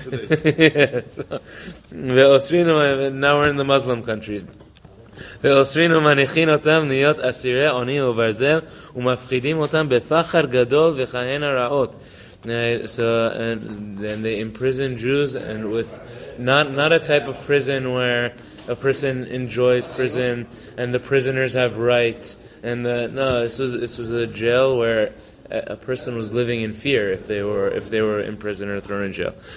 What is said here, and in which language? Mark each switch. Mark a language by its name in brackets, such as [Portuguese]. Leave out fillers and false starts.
[English] That was the beginning of today. I learned today. Yeah, so, now we're in the Muslim countries. [Hebrew] ואוסרינו מניחין אותם להיות אסירי עוני וברזל ומפחידים אותם בפחר גדול וכהן הרעות. [English] So and they imprison Jews and with not a type of prison where a person enjoys prison and the prisoners have rights and this was a jail where a person was living in fear if they were in prison or thrown in jail.